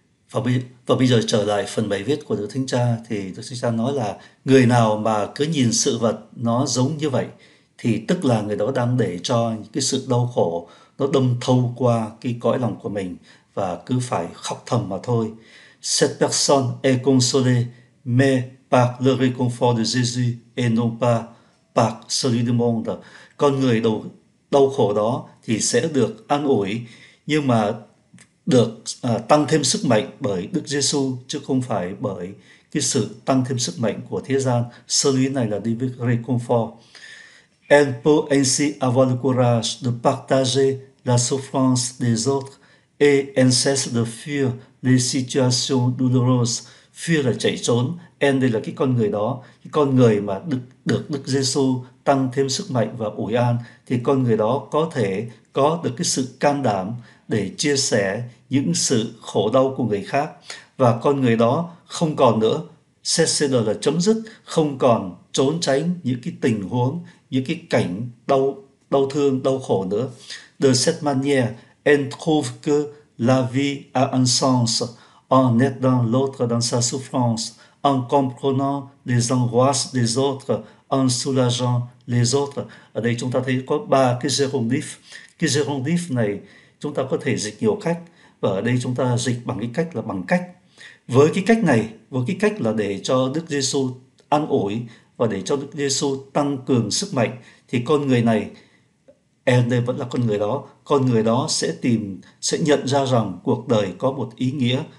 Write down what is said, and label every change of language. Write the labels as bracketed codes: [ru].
[vi] Và bây giờ trở lại phần bài viết của Đức Thánh Cha, thì Đức Thánh Cha nói là người nào mà cứ nhìn sự vật nó giống như vậy thì tức là người đó đang để cho cái sự đau khổ nó đâm thâu qua cái cõi lòng của mình, và cứ phải khóc thầm mà thôi. [fr] Cette personne est consolée, mais par le réconfort de Jésus et non pas par celui du monde. [vi] Con người đau khổ đó thì sẽ được an ủi, nhưng mà được tăng thêm sức mạnh bởi Đức Giêsu chứ không phải bởi cái sự tăng thêm sức mạnh của thế gian. Sơ lý này là đi với réconfort. [fr] Elle peut ainsi avoir le courage de partager la souffrance des autres et elle cesse de fuir les situations douloureuses. [vi] Fuir là chạy trốn, elle đây là cái con người đó, cái con người mà được Đức Giêsu tăng thêm sức mạnh và ủi an, thì con người đó có thể có được cái sự can đảm để chia sẻ những sự khổ đau của người khác, và con người đó không còn nữa, cessez-le là chấm dứt, không còn trốn tránh những cái tình huống, những cái cảnh đau đau thương, đau khổ nữa. [fr] De cette manière, elle trouve que la vie a un sens en aidant l'autre dans sa souffrance, en comprenant les angoisses des autres, en soulageant les autres. [vi] Ở đây chúng ta thấy có ba cái gérondif. Cái gérondif này chúng ta có thể dịch nhiều cách, và ở đây chúng ta dịch bằng cái cách là bằng cách. Với cái cách này, với cái cách là để cho Đức Giêsu an ủi và để cho Đức Giêsu tăng cường sức mạnh, thì con người này, em đây vẫn là con người đó sẽ nhận ra rằng cuộc đời có một ý nghĩa.